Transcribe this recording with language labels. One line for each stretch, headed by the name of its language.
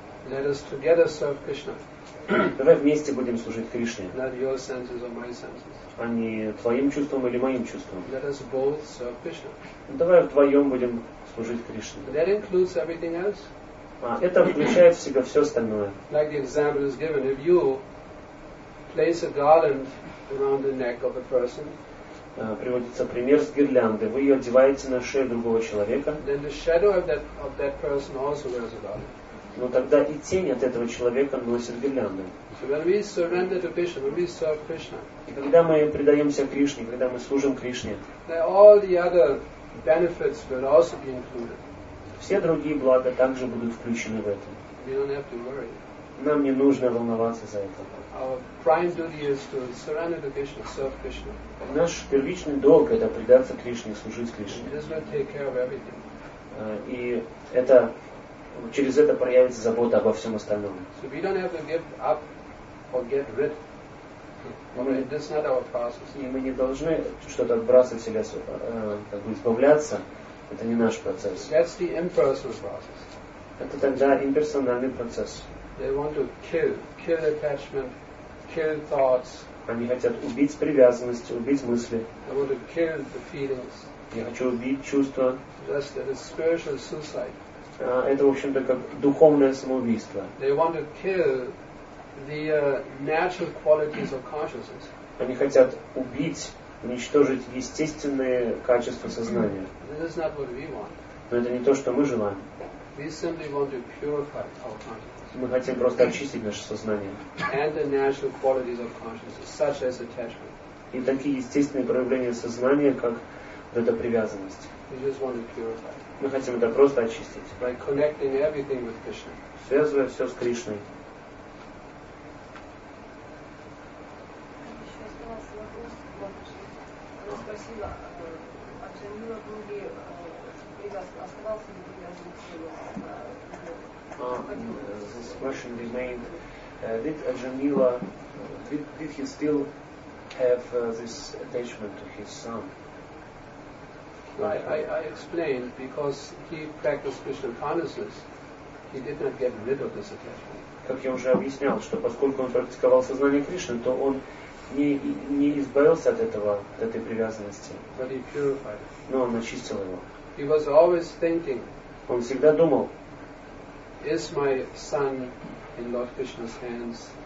English: Let us together serve Krishna.
Russian: Давай вместе будем служить Кришне.
English: Not your senses or my senses.
Russian: А не твоим чувством или моим чувством.
English: Let us both serve Krishna.
Russian: Давай вдвоем будем служить Кришне.
English: That includes everything else.
Russian: А это включает в себя все остальное.
English: Like the example is given, if you place a garland around the neck of a person.
Russian: Приводится пример с гирлянды. Вы ее одеваете на шею другого человека.
English: Then the shadow of that person also wears a garland.
Russian: Но тогда и тень от этого человека носит гирлянды. И когда мы предаемся Кришне, когда мы служим Кришне,
English: all the other benefits will also be included.
Russian: Все другие блага также будут включены в это.
English: We don't have to worry.
Russian: Нам не нужно волноваться за это.
English: Our prime duty is to surrender to Krishna, serve Krishna.
Russian: Наш первичный долг – это предаться Кришне, служить Кришне.
English: This will take care of everything.
Russian: И это... Через это проявится забота обо всем остальном.
English: So we don't have to give up or get rid. That's not our process.
Russian: И мы не должны что-то отбрасывать себя, как бы избавляться. Это не наш процесс.
English: That's the impersonal process.
Russian: Это тогда имперсональный процесс.
English: They want to kill attachment, kill thoughts.
Russian: Они хотят убить привязанность, убить мысли.
English: They want to kill the feelings.
Russian: Я хочу убить чувства.
English: Just that it's spiritual suicide.
Russian: Это, в общем-то, как духовное самоубийство.
English: They want to kill the natural qualities of consciousness.
Russian: Они хотят убить, уничтожить естественные качества сознания.
English: This is not what we want.
Russian: Но это не то, что мы желаем.
English: We simply want to purify our consciousness.
Russian: Мы хотим просто очистить наше сознание.
English: And the natural qualities of consciousness, such as attachment.
Russian: И такие естественные проявления сознания, как вот эта привязанность.
English: We just want to purify.
Russian: Мы хотим это просто очистить.
English: By connecting everything with Krishna.
Russian: Связывая все с Кришной. Еще оставался вопрос. Я спросила, а Джамила был ли оставался ли привязан к телу?
English: This question remained. Did Джамила, did he still have this attachment to his son? I explained because he practiced Krishna consciousness, he did not get rid of this attachment.
Russian: Как я уже объяснял, что поскольку он практиковал сознание Кришны, то он не избавился от этого, от этой привязанности.
English: But he purified.
Russian: Но он очистил его.
English: He was always thinking.
Russian: Он всегда думал.
English: Is my son in Lord Krishna's hands?